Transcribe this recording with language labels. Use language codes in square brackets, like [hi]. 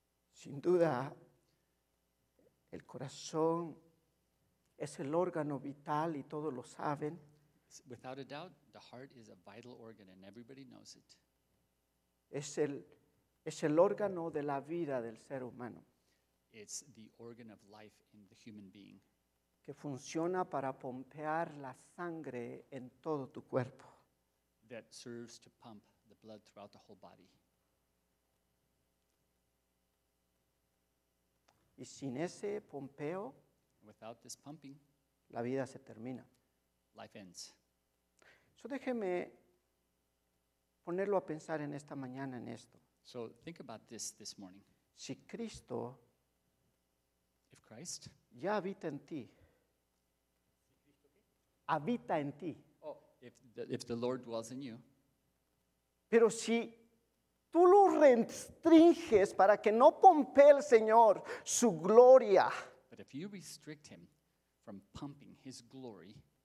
[es] Sin duda, el corazón es el órgano vital y todos lo saben. [en] Without a doubt, the heart is a vital organ and everybody knows it. [es] Es el órgano de la vida del ser humano. [en] It's the organ of life in the human being. [es] Que funciona para pompear la sangre en todo tu cuerpo. [en] That serves to pump the blood throughout the whole body. [es] Y sin ese pompeo, [en] without this pumping, [es] la vida se termina. [en] Life ends. [es] So déjeme ponerlo a pensar en esta mañana en esto. [en] So think about this morning. [es] Si Cristo, [en] if Christ, [es] ya habita en ti, habita en ti. [en] Oh, if the Lord dwells in you. [es] Pero si tú lo restringes para que no pompee el Señor su gloria. [en] But if you restrict him from pumping his glory,